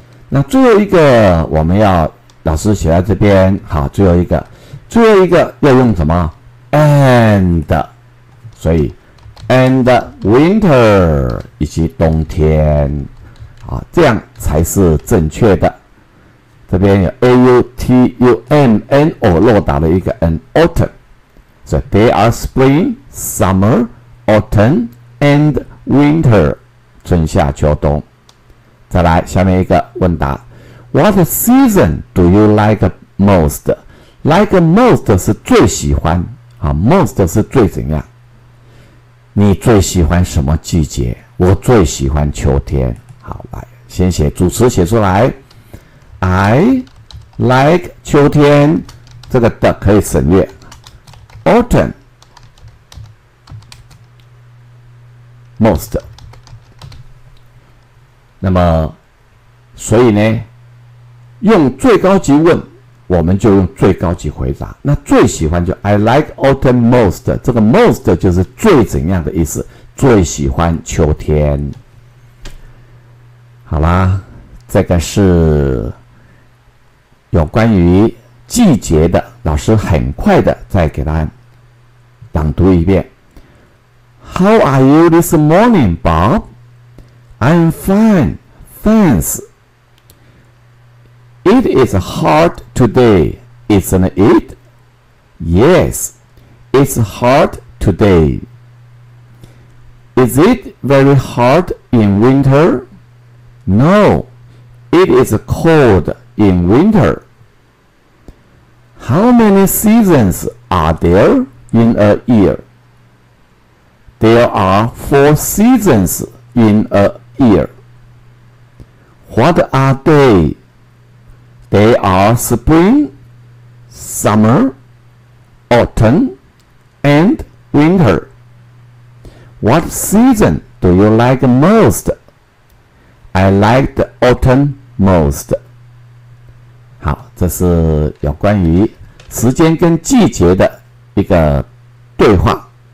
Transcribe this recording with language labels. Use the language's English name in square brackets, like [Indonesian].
[Chinese] 那最后一个我们要老师写在这边，好，最后一个，最后一个要用什么？ And， 所以 [English] And winter [Chinese] 以及冬天，好，这样才是正确的。这边有 [English] a u t u m n o [Chinese] 落打了一个 [English] n autumn， 所以 they are spring summer autumn and winter [Chinese] 春夏秋冬。再来下面一个问答， [English] What season do you like most？ Like most [Chinese] 是最喜欢，啊， most 是最怎样？你最喜欢什么季节？我最喜欢秋天。好，来先写主词写出来。 [English] I like [Chinese] 秋天，这个的可以省略。 [English] Autumn most。 [Chinese] 那么，所以呢，用最高级问，我们就用最高级回答。那最喜欢就 [English] I like autumn most， [Chinese] 这个 most 就是最怎样的意思，最喜欢秋天。好啦，这个是有关于季节的，老师很快的再给他朗读一遍。 [English] How are you this morning, Bob? I'm fine, thanks. It is hot today, isn't it? Yes, it's hot today. Is it very hot in winter? No, it is cold in winter. How many seasons are there in a year? There are four seasons in a year. What are they? They are spring, summer, autumn, and winter. What season do you like most? I like the autumn most. [Chinese] 好，这是有关于时间跟季节的一个对话。